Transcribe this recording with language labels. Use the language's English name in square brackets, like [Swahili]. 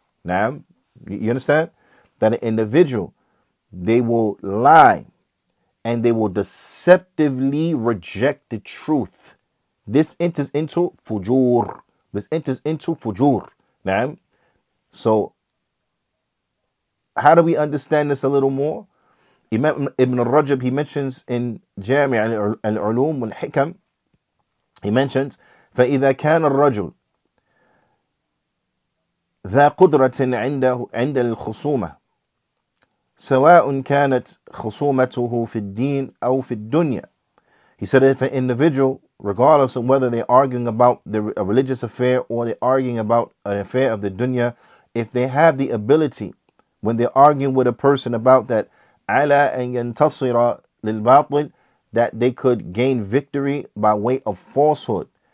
[English] Now, you understand? That an individual, they will lie and they will deceptively reject the truth. This enters into fujur. This enters into fujur. Now, so how do we understand this a little more? Imam Ibn al-Rajab, he mentions in Jami' al-Ulum wal-Hikam, he mentions, [Arabic] فَإِذَا كَانَ الرَّجُلُ ذَا قُدْرَةٍ عِنْدَ الْخُصُومَةِ سَوَاءٌ كَانَتْ خُصُومَتُهُ فِي الدِّينِ أَوْ فِي الدُّنْيَا. [English] He said, if an individual, regardless of whether they're arguing about a religious affair or they're arguing about an affair of the dunya, if they have the ability, when they're arguing with a person about that, [Arabic] عَلَىٰ أَنْ يَنْتَصِرَ لِلْبَاطِلِ, [English] that they could gain victory by way of falsehood.